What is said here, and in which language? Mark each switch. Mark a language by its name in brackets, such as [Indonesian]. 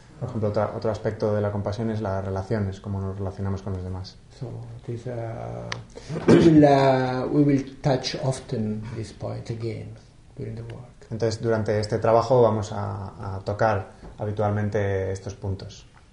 [Spanish] Por ejemplo, otro aspecto de la compasión es las relaciones, cómo nos relacionamos con los demás. [English] So this we will touch often this point again during the work. [Spanish] Entonces durante este trabajo vamos a tocar habitualmente estos puntos.